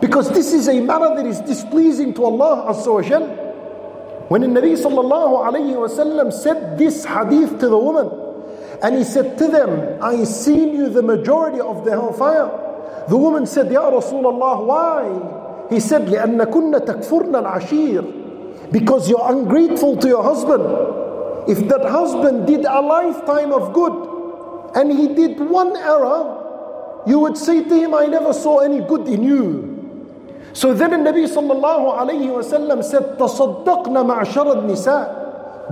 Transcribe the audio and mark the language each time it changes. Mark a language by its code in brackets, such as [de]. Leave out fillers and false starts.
[en] Because this is a matter that is displeasing to Allah Azza wa Jal. When the Nabi sallallahu alayhi wa sallam said this hadith to the woman, and he said to them, I seen you the majority of the hellfire. The woman said, Ya Rasulullah, why? He said, [ar] لِأَنَّكُنَّ تَكْفُرْنَا الْعَشِيرِ. [en] Because you're ungrateful to your husband. If that husband did a lifetime of good, and he did one error, you would say to him, I never saw any good in you. So then the Nabi sallallahu alayhi wa sallam said, [ar] تَصَدَّقْنَا مَعْشَرَ النِّسَاءِ.